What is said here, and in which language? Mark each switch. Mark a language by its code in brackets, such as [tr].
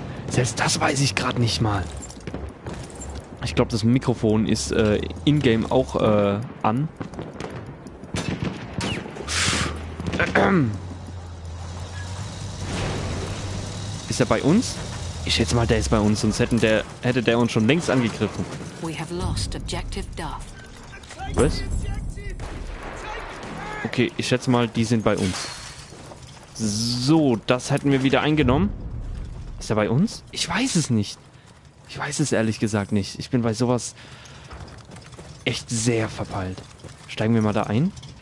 [de] Selbst das weiß ich gerade nicht mal. Ich glaube, das Mikrofon ist in-game auch an. Ist er bei uns? Ich schätze mal, der ist bei uns, sonst hätte der uns schon längst angegriffen. [en] We have lost objective Duff. [de] Was? Okay, ich schätze mal, die sind bei uns. So, das hätten wir wieder eingenommen. Ist er bei uns? Ich weiß es nicht. Ich weiß es ehrlich gesagt nicht. Ich bin bei sowas echt sehr verpeilt. Steigen wir mal da ein.